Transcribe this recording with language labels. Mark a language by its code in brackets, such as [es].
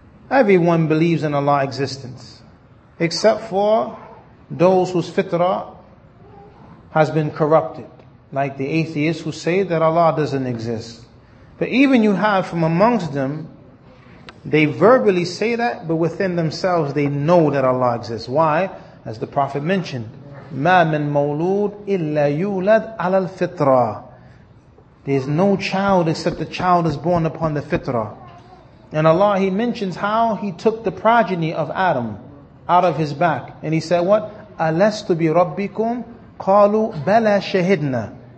[en] Everyone believes in Allah's existence, except for those whose fitrah has been corrupted, like the atheists who say that Allah doesn't exist. But even you have from amongst them, they verbally say that, but within themselves they know that Allah exists. Why? As the Prophet mentioned, [ar] مَا مِن مَوْلُودْ إِلَّا يُولَدْ عَلَى الْفِطْرَةِ. [en] There's no child except the child is born upon the fitrah. And Allah, He mentions how He took the progeny of Adam out of his back. And He said what? [ar] أَلَسْتُ بِرَبِّكُمْ قَالُوا بَلَى شَهِدْنَا.